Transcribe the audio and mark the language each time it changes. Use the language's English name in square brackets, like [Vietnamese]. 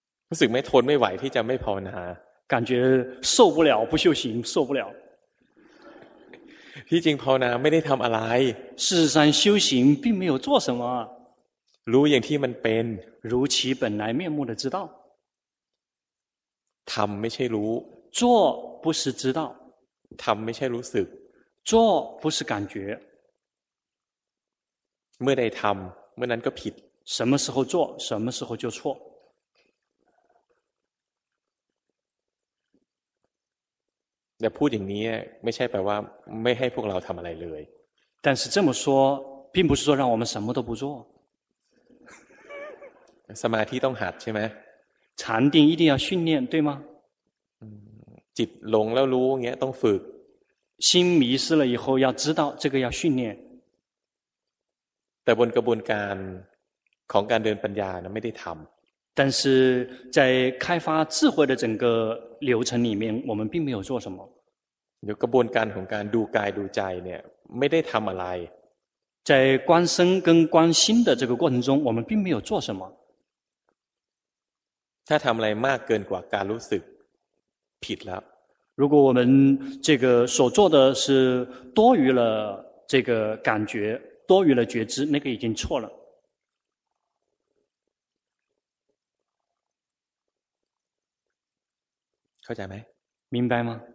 [Thai] รู้สึกไม่ทนไม่ไหวที่จะไม่ภาวนา [Chinese] 感觉受不了不修行受不了 [Thai] ที่จริงภาวนาไม่ได้ทำอะไร [Chinese] 事实上修行并没有做什么 [Thai] รู้อย่างที่มันเป็น [Chinese] 如其本来面目的知道 [Thai] ทำไม่ใช่รู้ [Chinese] 做不是知道 [Thai] ทำไม่ใช่รู้สึก [Chinese] 做不是感觉 [Thai] เมื่อใดทำเมื่อนั้นก็ผิด [Chinese] 什么时候做什么时候就错 [Thai] แต่พูดอย่างนี้ไม่ใช่แปลว่าไม่ให้พวกเราทำอะไรเลย [Chinese] 但是这么说并不是说让我们什么都不做 [Thai] สมาธิต้องหัดใช่ไหม [Chinese] 禅定一定要训练对吗 [Thai] จิตหลงแล้วรู้อย่างเงี้ยต้องฝึก [Chinese] 心迷失了以后要知道这个要训练 [Thai] แต่บนกระบวนการของการเดินปัญญานะไม่ได้ทำ [Chinese] 但是在开发智慧的整个流程里面我们并没有做什么 [Thai] กระบวนการของการดูกายดูใจเนี่ยไม่ได้ทำอะไร [Chinese] 在观身跟观心的这个过程中我们并没有做什么 [Thai] ถ้าทำอะไรมากเกินกว่าการรู้สึกผิดแล้ว [Chinese] 如果我们这个所做的是多余了这个感觉多余了觉知那个已经错了 [Thai] เข้าใจไ [Chinese] หม明白吗